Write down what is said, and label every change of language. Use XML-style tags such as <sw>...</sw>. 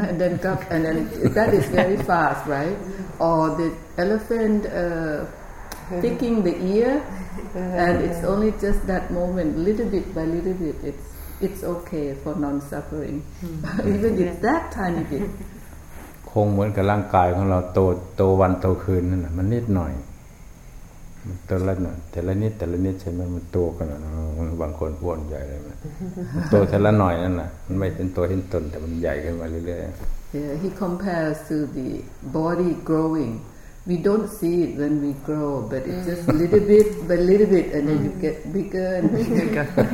<en>and then cup, and then that is very fast, right? Mm-hmm. Or the elephant picking the ear, and it's only just that moment, little bit by little bit, it's it's okay for non-suffering. But even if that tiny bit,</en> <th>คงเหมือนกับร่างกายของเราโตวันโตคืนนั่นแหละมันนิดหน่อยมันโตละหน่อยแต่ละนิดแต่ละนิดใช่ไหมมันโตกันบางคนอ้วนใหญ่เลยมันโตทีละหน่อยนั่นแหละมันไม่เป็นตัวเห็นตนแต่มันใหญ่ขึ้นมาเรื่อย</th> <en>ๆ He compares to the body growing. We don't see it when we grow, but it's just little bit by little bit, and then you get bigger and bigger.</en>